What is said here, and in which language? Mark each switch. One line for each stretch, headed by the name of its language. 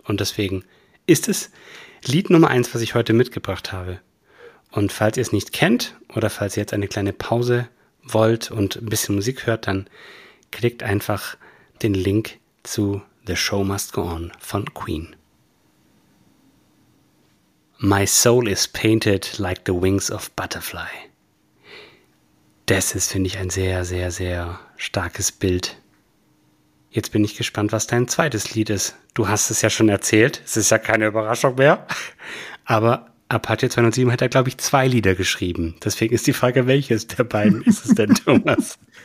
German: Und deswegen ist es Lied Nummer 1, was ich heute mitgebracht habe. Und falls ihr es nicht kennt oder falls ihr jetzt eine kleine Pause wollt und ein bisschen Musik hört, dann klickt einfach den Link zu The Show Must Go On von Queen.
English: My soul is painted like the wings of butterfly.
German: Das ist, finde ich, ein sehr, sehr, sehr starkes Bild. Jetzt bin ich gespannt, was dein zweites Lied ist. Du hast es ja schon erzählt, es ist ja keine Überraschung mehr. Aber Apache 207 hat er, glaube ich, zwei Lieder geschrieben. Deswegen ist die Frage, welches der beiden ist es denn, Thomas?